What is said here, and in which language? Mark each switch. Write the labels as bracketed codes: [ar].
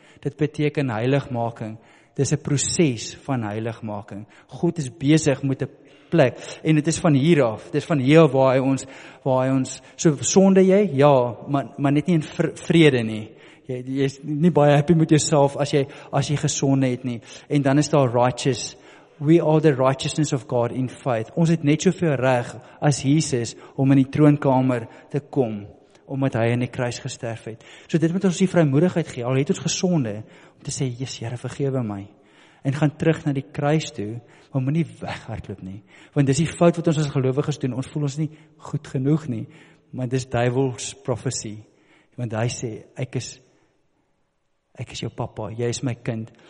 [af] Dit beteken heiligmaking. Dit is 'n proses van heiligmaking. God is besig met 'n plek, en dit is van hier af, dit is van hier waar hy ons, so sonde jy, ja, maar net nie in vrede nie. Jy is nie baie happy met jouself as jy gesonde het nie. En dan is daar righteous. [en] We are the righteousness of God in faith. [af] Ons het net soveel reg as Jesus om in die troonkamer te kom, omdat hy in die kruis gesterf het. So dit moet ons die vrymoedigheid gee, al het ons gesonde, om te sê, Jesus, Here, vergewe my, en gaan terug na die kruis toe, maar moet nie weghardloop nie, want dis die fout wat ons as gelowiges doen, ons voel ons nie goed genoeg nie, maar dis duivel's prophecy, want hy sê, ek is jou papa, jy is my kind.